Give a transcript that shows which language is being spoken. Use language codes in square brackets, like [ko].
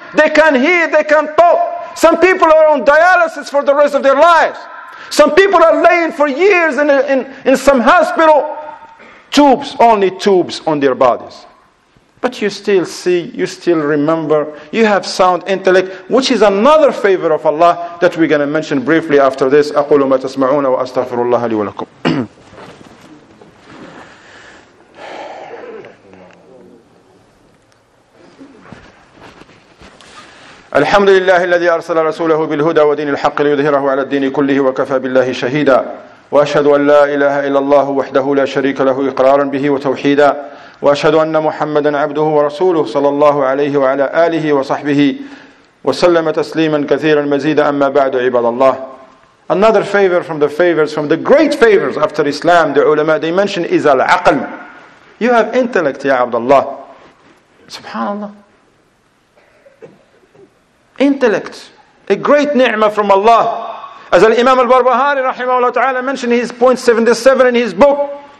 [en] They can hear, they can talk. Some people are on dialysis for the rest of their lives. Some people are laying for years in some hospital. Tubes, only tubes on their bodies. But you still see, you still remember, you have sound intellect, which is another favor of Allah that we're going to mention briefly after this. [ar] أَقُولُ مَا تَسْمَعُونَ وَأَسْتَغْفِرُ اللَّهَ لِي وَلَكُمْ الحمد لله الذي أرسل رسوله بالهدى ودين الحق ليظهره على الدين كله وكفى بالله شهيدا وأشهد أن لا إله إلا الله وحده لا شريك له إقرارا به وتوحيدا وأشهد أن محمدا عبده ورسوله صلى الله عليه وعلى آله وصحبه وسلم تسليما كثيرا مزيدا أما بعد عباد الله. [en] Another favor from the favors, from the great favors after Islam, the ulama, they mention is al-aql. You have intellect, Ya Abdullah. SubhanAllah. Intellect. A great ni'mah from Allah. As al-Imam al-Barbahari rahimahullah ta'ala mentioned his point 77 in his book.